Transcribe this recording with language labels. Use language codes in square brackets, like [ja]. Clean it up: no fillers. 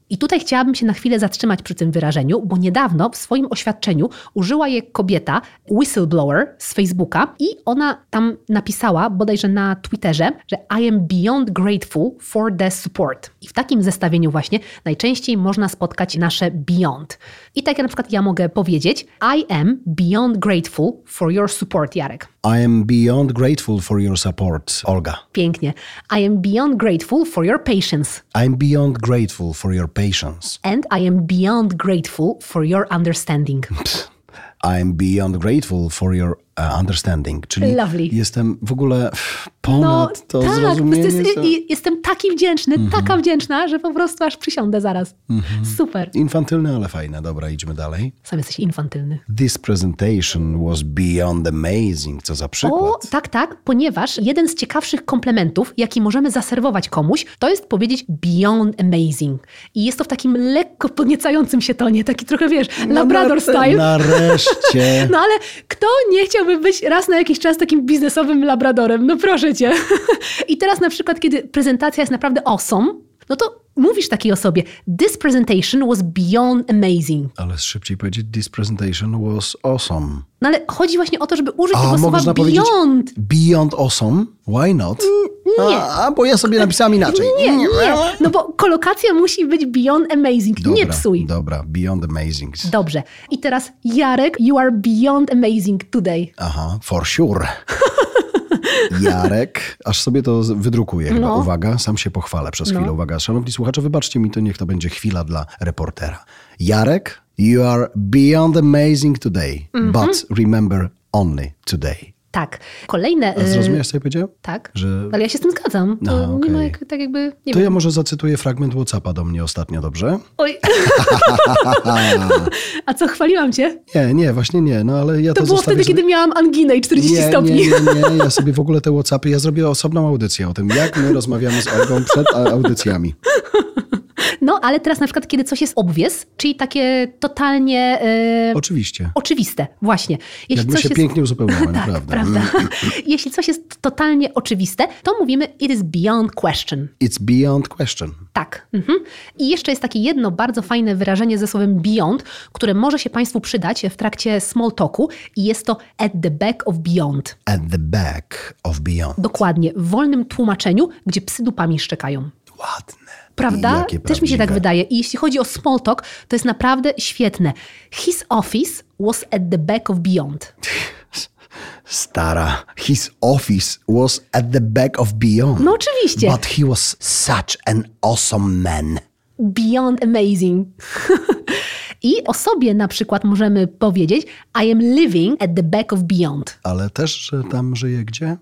[pl] I tutaj chciałabym się na chwilę zatrzymać przy tym wyrażeniu, bo niedawno w swoim oświadczeniu użyła je kobieta, whistleblower z Facebooka i ona tam napisała bodajże na Twitterze, że [en] I am beyond grateful for the support. [pl] I w takim zestawieniu właśnie najczęściej można spotkać nasze beyond. I tak jak na przykład ja mogę powiedzieć [en] I am beyond grateful for your support, Jarek. I am beyond grateful for your support, Olga. [pl] Pięknie. [en] I am beyond grateful for your patience. I am beyond grateful for your patience. And I am beyond grateful for your understanding. I am beyond grateful for your understanding. [pl] Czyli [en] lovely. [pl] Jestem w ogóle ponad no, to tak, zrozumienie. Tak, jestem taki wdzięczny, mm-hmm. Taka wdzięczna, że po prostu aż przysiądę zaraz. Mm-hmm. Super. Infantylny, ale fajne. Dobra, idźmy dalej. Sam jesteś infantylny. [en] This presentation was beyond amazing. [pl] Co za przykład. O, tak, tak, ponieważ jeden z ciekawszych komplementów, jaki możemy zaserwować komuś, to jest powiedzieć beyond amazing. I jest to w takim lekko podniecającym się tonie, taki trochę, wiesz, no, Labrador style. Nareszcie. No ale kto nie chciałby być raz na jakiś czas takim biznesowym labradorem. No proszę cię. I teraz na przykład, kiedy prezentacja jest naprawdę awesome, no to mówisz takiej osobie, [en] this presentation was beyond amazing. [pl] Ale szybciej powiedzieć, [en] this presentation was awesome. [pl] No ale chodzi właśnie o to, żeby użyć a, tego słowa beyond. [en] Beyond awesome? Why not? [pl] Nie. A, bo ja sobie napisałam inaczej. Nie, nie. No bo kolokacja musi być beyond amazing. Dobra, nie psuj. Dobra, beyond amazing. Dobrze. I teraz [en] Jarek, you are beyond amazing today. Aha, for sure. [pl] Jarek, aż sobie to wydrukuję. No. Uwaga, sam się pochwalę przez chwilę. Uwaga, szanowni słuchacze, wybaczcie mi to, niech to będzie chwila dla reportera. Jarek, [en] You are beyond amazing today, mm-hmm. but remember only today. [pl] Tak. Kolejne... A zrozumiałeś, co ja powiedziałem? Tak, że... ale ja się z tym zgadzam. To aha, okay. Nie ma jak, tak jakby... Nie to wiem. Ja może zacytuję fragment WhatsAppa do mnie ostatnio, dobrze? Oj. A co, chwaliłam cię? Nie, właśnie nie. No, ale ja to było wtedy, kiedy miałam anginę i 40 stopni. Nie. Ja sobie w ogóle te WhatsAppy, ja zrobię osobną audycję o tym, jak my rozmawiamy z Olgą przed audycjami. No, ale teraz na przykład, kiedy coś jest obvious, czyli takie totalnie... Oczywiście. Oczywiste, właśnie. Jakby się jest... pięknie uzupełniało, tak, prawda? Prawda. Jeśli coś jest totalnie oczywiste, to mówimy [en] it is beyond question. It's beyond question. [pl] Tak. Mhm. I jeszcze jest takie jedno bardzo fajne wyrażenie ze słowem beyond, które może się Państwu przydać w trakcie small talku i jest to [en] at the back of beyond. At the back of beyond. [pl] Dokładnie. W wolnym tłumaczeniu, gdzie psy dupami szczekają. Ładne. Prawda? Też mi się tak wydaje. I jeśli chodzi o small talk, to jest naprawdę świetne. [en] His office was at the back of beyond. [pl] Stara, [en] his office was at the back of beyond. [pl] No oczywiście. [en] But he was such an awesome man. Beyond amazing. [pl] I o sobie na przykład możemy powiedzieć [en] I am living at the back of beyond. [pl] Ale też, że tam żyje gdzie?